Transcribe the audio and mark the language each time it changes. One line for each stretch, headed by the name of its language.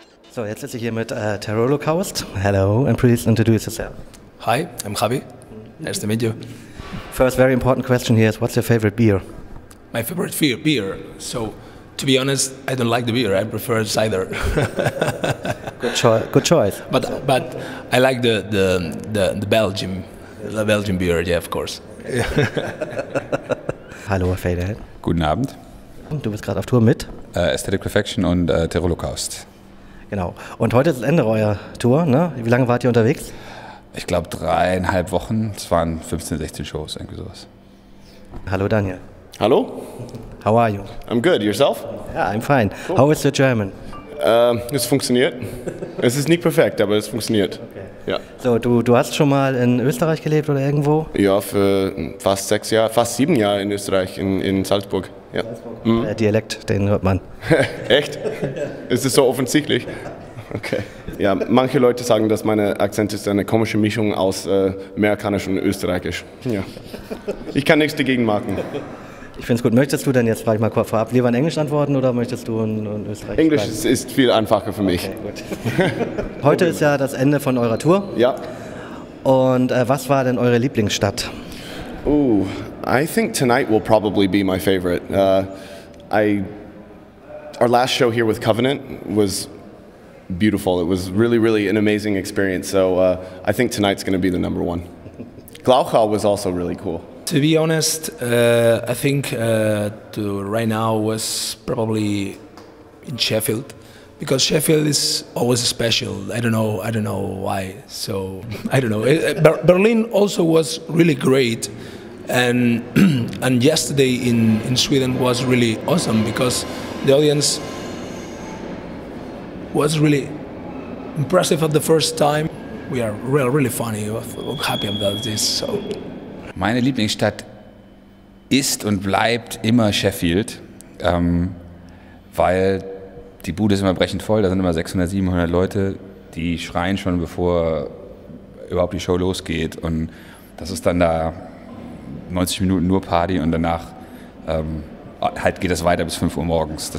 German: So, jetzt sitze ich hier mit Terrorlocaust.
English: Hello, and please introduce yourself. Hi, I'm Javi. Nice to meet you. First very important question here is, what's your favorite beer? My favorite beer? So, to be honest, I don't like the beer. I prefer cider. Good choice. But I like the Belgian beer, yeah, of course.
German: Hallo, Faded. Guten Abend. Und du bist gerade auf Tour mit? Aesthetic Perfection und Terrorlocaust. Genau. Und heute ist das Ende eurer Tour, ne? Wie lange wart ihr unterwegs? Ich glaube 3,5 Wochen. Es waren 15, 16 Shows, irgendwie sowas. Hallo Daniel. Hallo.
English: How are you? I'm good. Yourself? Yeah, I'm fine. Cool. How is your German?
German: Es funktioniert. Es ist nicht perfekt, aber es funktioniert. Okay. Ja. So, du hast schon mal in Österreich gelebt oder irgendwo? Ja, für fast sieben Jahre in Österreich, in Salzburg. Ja. Salzburg. Mhm. Der Dialekt, den hört man. Echt? Ist das so offensichtlich? Okay. Ja, manche Leute sagen, dass mein Akzent ist eine komische Mischung aus amerikanisch und österreichisch. Ja. Ich kann nichts dagegen machen. Ich finde es gut. Möchtest du denn jetzt, frage ich mal kurz vorab, lieber in Englisch antworten oder möchtest du in Österreich? Englisch ist viel einfacher für mich. Okay, gut. Heute ist ja das Ende von eurer Tour. Ja. Und was war denn eure Lieblingsstadt?
English: Oh, I think tonight will probably be my favorite. Our last show here with Covenant was beautiful. It was really, really an amazing experience. So I think tonight's going to be the number one. Glauchau was also really cool. To be honest, I think right now was probably in Sheffield, because Sheffield is always special. I don't know why. So I don't know. Berlin also was really great, and yesterday in Sweden was really awesome because the audience was really impressive for the first time. We are really really funny. I'm happy about this. So.
German: Meine Lieblingsstadt ist und bleibt immer Sheffield, weil die Bude ist immer brechend voll, da sind immer 600, 700 Leute, die schreien schon, bevor überhaupt die Show losgeht, und das ist dann da 90 Minuten nur Party und danach halt geht das weiter bis 5 Uhr morgens.